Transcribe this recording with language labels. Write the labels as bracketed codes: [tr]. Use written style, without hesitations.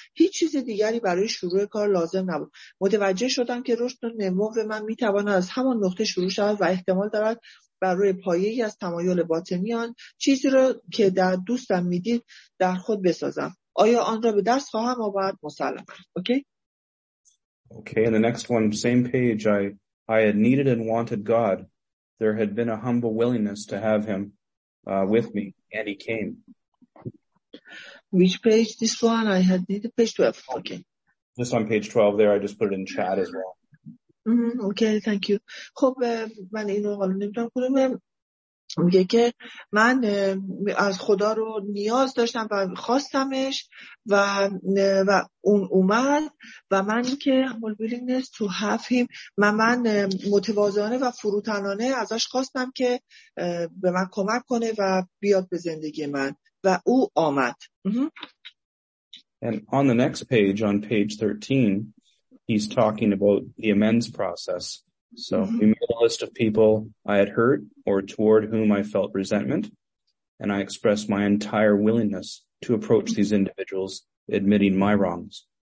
[fa] هیچ چیز دیگری برای شروع کار لازم نبود. متوجه شدم که رشد و نمو من میتواند از همان نقطه شروع شود و احتمال دارد بر روی پایه ای از تمایل باطنی آن چیزی را که در دوستم میدید در خود بسازم. آیا آن را به دست خواهم آورد؟ مسلم. [en] Okay. Okay, and the next one, same page, I had needed and wanted God. There had been a humble willingness to have him with me, and he came. Which page? This one? I had needed page 12. Okay. Just on page 12 there, I just put it in chat as well. Okay, thank you. [fa] خب من اینو حالا نمیدونم کدومه. میگه که من از خدا رو نیاز داشتم و خواستمش و اون اومد و من که [en] humble willingness to have him [fa] من متواضعانه و فروتنانه ازش خواستم که به من کمک کنه و بیاد به زندگی من و او آمد. [en] And on the next page, on page 13, he's talking about the amends process. So we made a list of people I had hurt or toward whom I felt resentment, and I expressed my entire willingness to approach these individuals, admitting my wrongs.